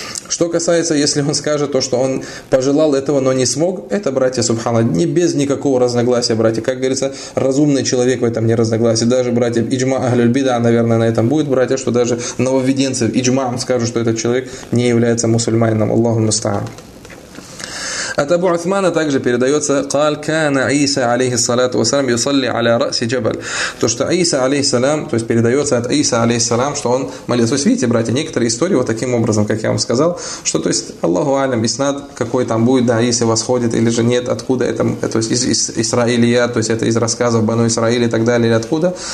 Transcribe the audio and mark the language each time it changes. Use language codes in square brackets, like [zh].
[ru] Что касается, если он скажет то, что он пожелал этого, но не смог, это, братья, субхана, не без никакого разногласия, братья. Как говорится, разумный человек в этом не разногласит. Даже, братья, иджма ахлюль бида, наверное, на этом будет, братья, что даже нововеденцы иджмам скажут, что этот человек не является мусульманином. Аллаху мустаан. От Абу Усмана также передается [ar] قال كان عيسى عليه الصلاة والسلام يصلي على رأس جبل. [ru] То, что Иса алейхи салям, то есть передается от Иса алейхи салям, что он молился. То есть видите, братья, некоторые истории вот таким образом, как я вам сказал, что то есть Аллаху алям, иснад какой там будет, да, Иса восходит или же нет, откуда это, то есть из Исраилия, то есть это из рассказов Бану Исраиль и так далее, или откуда.